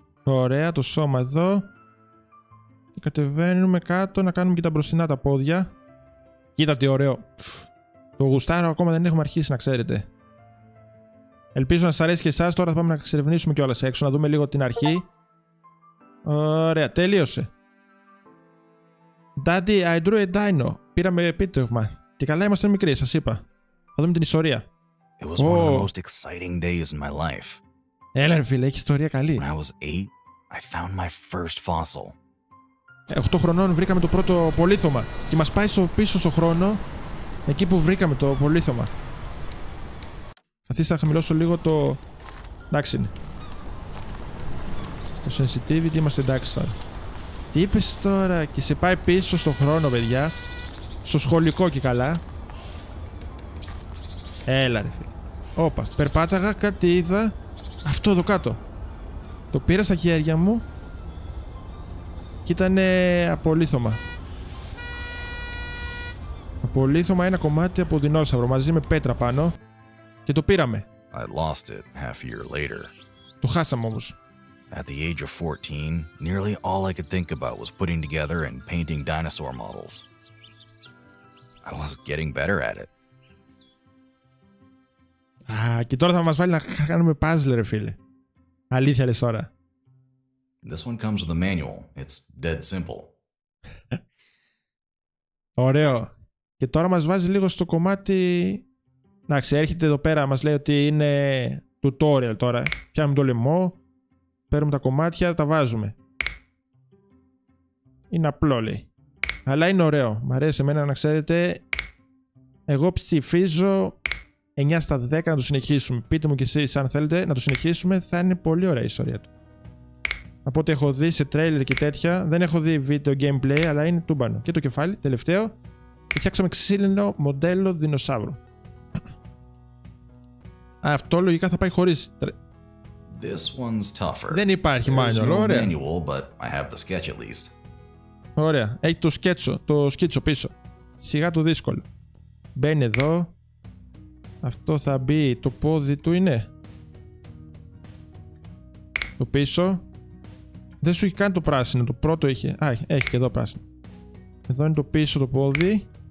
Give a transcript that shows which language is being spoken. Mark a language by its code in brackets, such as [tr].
[el] Ωραία, το σώμα εδώ. Και κατεβαίνουμε κάτω να κάνουμε και τα μπροστινά τα πόδια. Κοίτα τι ωραίο. Το γουστάρω ακόμα, δεν έχουμε αρχίσει να ξέρετε. Ελπίζω να σας αρέσει και εσάς. Τώρα θα πάμε να ξερευνήσουμε κιόλας έξω, να δούμε λίγο την αρχή. Ωραία, τέλειωσε. [en] Daddy, I drew a dino. [el] Πήραμε επίτευγμα. Και καλά είμαστε μικροί, σας είπα. Θα δούμε την ιστορία. [en] It was one of the most exciting days in my life. [el] Έλα ρε φίλε, έχει ιστορία καλή. [en] When I was 8, I found my first fossil. [el] 8 χρονών βρήκαμε το πρώτο πολύθωμα. Και μας πάει στο πίσω στο χρόνο, εκεί που βρήκαμε το πολύθωμα. Καθίστε να χαμηλώσω λίγο το... Εντάξει είναι. Το sensitivity, είμαστε εντάξει τώρα. Τι είπες τώρα, και σε πάει πίσω στο χρόνο, παιδιά. Στο σχολικό και καλά. Έλα ρε φίλε. Όπα, περπάταγα, κάτι είδα. Αυτό εδώ κάτω. Το πήρα στα χέρια μου. Και ήτανε απολύθωμα. Απολύθωμα, ένα κομμάτι από δεινόσαυρο μαζί με πέτρα πάνω. Και το πήραμε. [en] I lost it half a year later. [el] Το χάσαμε όμως. [en] At the age of 14, nearly all I could think about was putting together and painting dinosaur models. I was getting better at it. [el] Α, και τώρα θα μας βάλει να κάνουμε puzzle, ρε φίλε. Αλήθεια λες τώρα. [en] This one comes with a manual. It's dead simple. [el] Ωραίο. Και τώρα μας βάζει λίγο στο κομμάτι... Εντάξει, έρχεται εδώ πέρα, μας λέει ότι είναι tutorial τώρα. Πιάνουμε το λαιμό, παίρνουμε τα κομμάτια, τα βάζουμε. Είναι απλό, λέει. Αλλά είναι ωραίο. Μ' αρέσει εμένα να ξέρετε. Εγώ ψηφίζω 9 στα 10 να το συνεχίσουμε. Πείτε μου κι εσείς αν θέλετε να το συνεχίσουμε. Θα είναι πολύ ωραία η ιστορία του. Από ό,τι έχω δει σε trailer και τέτοια, δεν έχω δει βίντεο gameplay, αλλά είναι τούμπανο. Και το κεφάλι, τελευταίο. Φτιάξαμε ξύλινο μοντέλο δεινοσαύρου. Αυτό λογικά θα πάει χωρίς. [en] This one's tougher. [el] Δεν υπάρχει manual, ωραία. [en] Manual, but I have the sketch at least. [el] Ωραία, έχει το σκέτσο, το σκίτσο πίσω. Σιγά το δύσκολο. Μπαίνει εδώ. Αυτό θα μπει, το πόδι του είναι. Το πίσω. Δεν σου έχει κάνει το πράσινο, το πρώτο είχε. Α, έχει και εδώ πράσινο. Εδώ είναι το πίσω το πόδι.